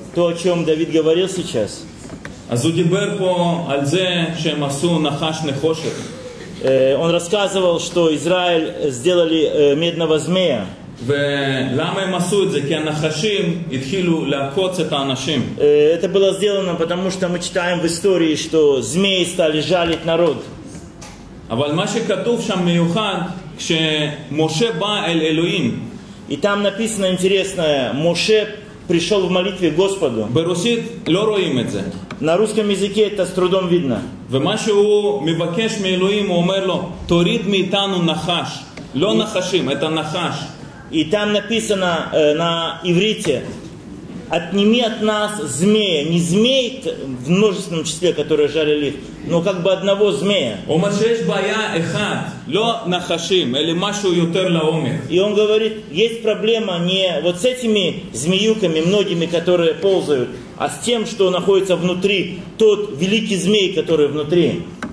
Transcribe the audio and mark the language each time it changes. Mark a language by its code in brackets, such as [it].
[ru] То, о чем Давид говорил сейчас? [he] Азудиберпо альзе шемасу нахаш нехошек. [ru] Он рассказывал, что Израиль сделали медного змея. [he] ולמה הם עשו את זה? כי הנחשים התחילו לעקוץ את האנשים. [ru] Это было сделано, потому что мы читаем в истории, что змеи стали жалить народ. [he] אבל מה שכתוב שם מיוחד, כשמשה בא אל אלוהים. [ru] И там написано интересное, Моше пришел в молитве к Господу. [he] ברוסית לא רואים את זה. [ru] На русском языке это с трудом видно. [he] ומה שהוא מבקש מאלוהים, הוא אומר לו, תוריד מאיתנו נחש. לא נחשים, [ru] это [he] נחש. [ru] И там написано на иврите: «Отними от нас змея». Не змей в множественном числе, которые жалили их, но как бы одного змея. И он говорит, есть проблема не вот с этими змеюками, многими, которые ползают, а с тем, что находится внутри, тот великий змей, который внутри.